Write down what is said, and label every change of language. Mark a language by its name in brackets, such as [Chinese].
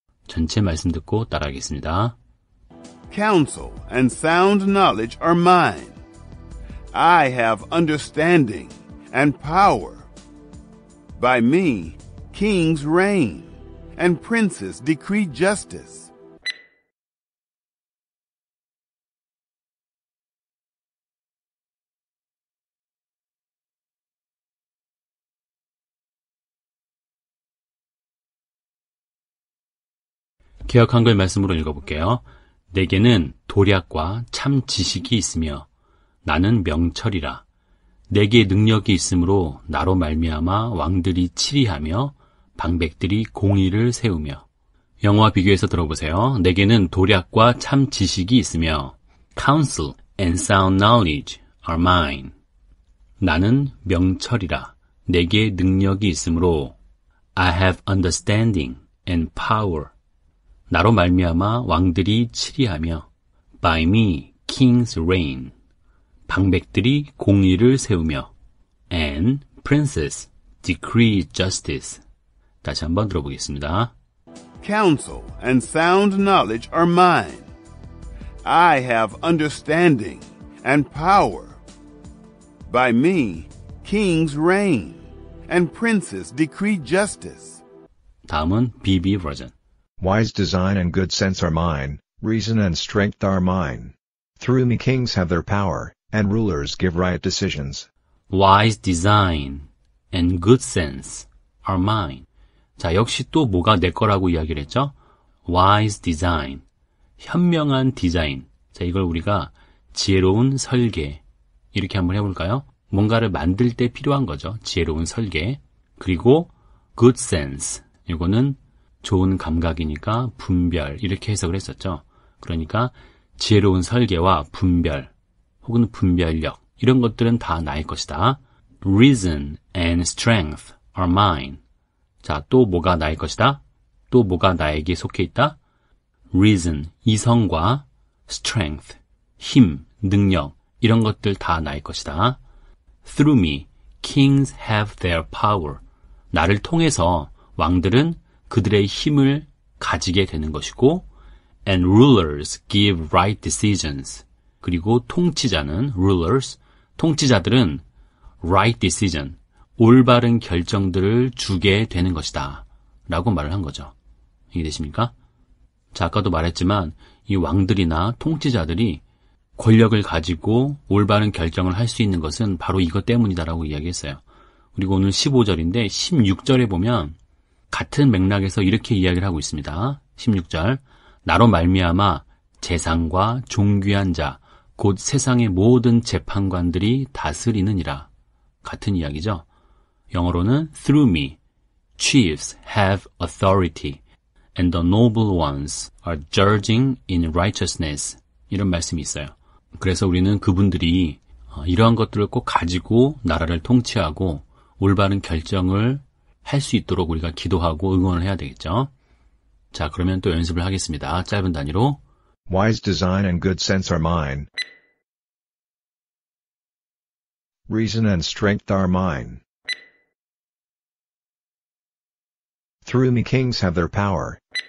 [Korean] 전체 말씀 듣고 따라하겠습니다. [English] Counsel and sound knowledge are mine. I have understanding and power. By me, kings reign, and princes decree justice. [Korean] 기억한 걸 말씀으로 읽어볼게요. 내게는 도략과 참 지식이 있으며 나는 명철이라. 내게 능력이 있으므로 나로 말미암아 왕들이 치리하며 방백들이 공의를 세우며. 영어와 비교해서 들어보세요. 내게는 도략과 참 지식이 있으며 [English] counsel and sound knowledge are mine. [Korean] 나는 명철이라. 내게 능력이 있으므로 [English] I have understanding and power. [Korean] 나로 말미암아 왕들이 치리하며 [English] By me, kings reign. [Korean] 방백들이 공의를 세우며 [English] And princes decree justice. [Korean] 다시 한번 들어보겠습니다. [English] Counsel and sound knowledge are mine. I have understanding and power. By me, kings reign. And princes decree justice. [Korean] 다음은 BB 버전. [English] Wise design and good sense are mine, reason and strength are mine. Through me kings have their power, and rulers give right decisions. Wise design and good sense are mine. [Korean] 자, 역시 또 뭐가 내 거라고 이야기를 했죠? [English] Wise design, [Korean] 현명한 디자인. 자, 이걸 우리가 지혜로운 설계, 이렇게 한번 해볼까요? 뭔가를 만들 때 필요한 거죠. 지혜로운 설계. 그리고 [English] good sense, [Korean] 이거는 좋은 감각이니까 분별, 이렇게 해석을 했었죠. 그러니까 지혜로운 설계와 분별 혹은 분별력, 이런 것들은 다 나의 것이다. [English] Reason and strength are mine. [Korean] 자, 또 뭐가 나의 것이다? 또 뭐가 나에게 속해 있다? Reason, 이성과 strength, 힘, 능력, 이런 것들 다 나의 것이다. [English] Through me, kings have their power. [Korean] 나를 통해서 왕들은 그들의 힘을 가지게 되는 것이고 [English] and rulers give right decisions. [Korean] 그리고 통치자는 rulers, 통치자들은 [English] right decision, [Korean] 올바른 결정들을 주게 되는 것이다 라고 말을 한 거죠. 이해되십니까? 자, 아까도 말했지만 이 왕들이나 통치자들이 권력을 가지고 올바른 결정을 할 수 있는 것은 바로 이것 때문이다라고 이야기했어요. 그리고 오늘 15절인데 16절에 보면 같은 맥락에서 이렇게 이야기를 하고 있습니다. 16절, 나로 말미암아 재상과 존귀한 자, 곧 세상의 모든 재판관들이 다스리느니라. 같은 이야기죠. 영어로는 [English] through me, chiefs have authority, and the noble ones are judging in righteousness. [Korean] 이런 말씀이 있어요. 그래서 우리는 그분들이 이러한 것들을 꼭 가지고 나라를 통치하고 올바른 결정을 할 수 있도록 우리가 기도하고 응원을 해야 되겠죠. 자, 그러면 또 연습을 하겠습니다. 짧은 단위로. [English] Wise design and good sense are mine. Reason and strength are mine. Through me kings have their power.